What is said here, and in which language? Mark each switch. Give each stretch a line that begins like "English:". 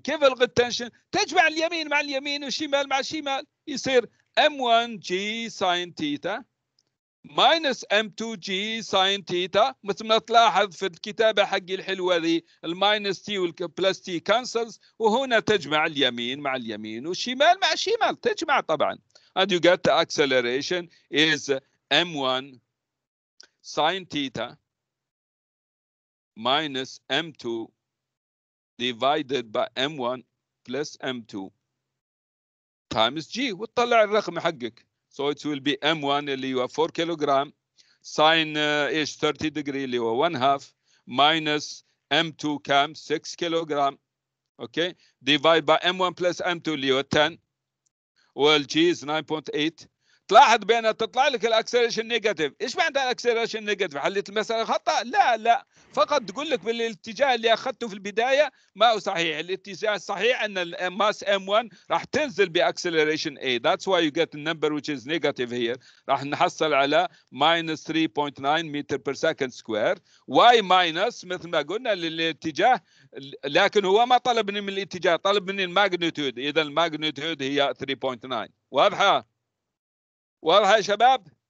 Arabic: كيف الغي التنشن؟ تجمع اليمين مع اليمين والشمال مع الشمال يصير
English: m 1 g sine theta
Arabic: ماينس ام 2 جي ساين تيتا. مثل ما تلاحظ في الكتابه حقي الحلوه ذي الماينس تي والبلس تي كانسلز، وهنا تجمع اليمين مع اليمين والشمال مع الشمال تجمع طبعا.
English: And you get the acceleration is m 1 sin theta minus M2 divided by M1 plus M2 times G.
Arabic: وطلع الرقم حقك.
English: So it will be M1
Arabic: اللي هو 4 كيلوغرام
English: sin 30 degree
Arabic: اللي هو
English: 1 half minus M2
Arabic: كام 6 كيلوغرام.
English: Okay. Divide by M1 plus M2
Arabic: اللي هو 10.
English: Well G is 9.8.
Arabic: تلاحظ بأن تطلع لك الأكسلريشن نيجاتيف. إيش معنى الأكسلريشن نيجاتيف؟ حليت المسألة خطأ؟ لا لا، فقط تقول لك بالاتجاه اللي أخذته في البداية ما هو صحيح. الاتجاه الصحيح أن الماس M1 راح تنزل بأكسلريشن A.
English: That's why you get the number which is negative here.
Arabic: راح نحصل على
English: minus 3.9 meter per second square.
Arabic: Y minus مثل ما قلنا للاتجاه، لكن هو ما طلبني من الاتجاه، طلب مني الماجنيتود. إذا الماجنيتود هي 3.9. واضحة؟ واضح يا شباب؟